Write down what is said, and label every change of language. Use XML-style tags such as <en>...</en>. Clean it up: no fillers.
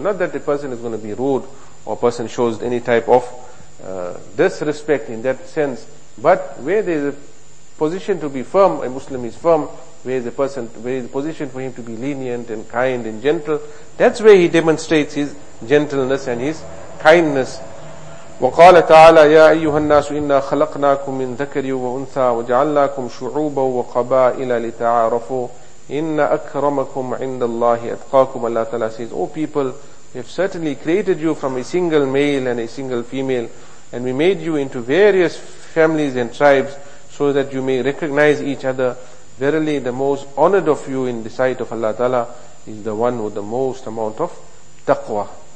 <en>Not that the person is going to be rude or person shows any type of disrespect in that sense. But where there's a position to be firm, a Muslim is firm, where is the position for him to be lenient and kind and gentle, that's where he demonstrates his gentleness and his kindness.</en> <ar>وقال تعالى يا أيها الناس إنا خلقناكم من ذكر وأنثى وجعلناكم شعوبا وقبائل لتعارفوا إن أكرمكم عند الله أتقاكم.</ar> <en>الله تعالى says, O people, we have certainly created you from a single male and a single female, and we made you into various families and tribes so that you may recognize each other. Verily, the most honored of you in the sight of Allah Ta'ala is the one with the most amount of taqwa.</en>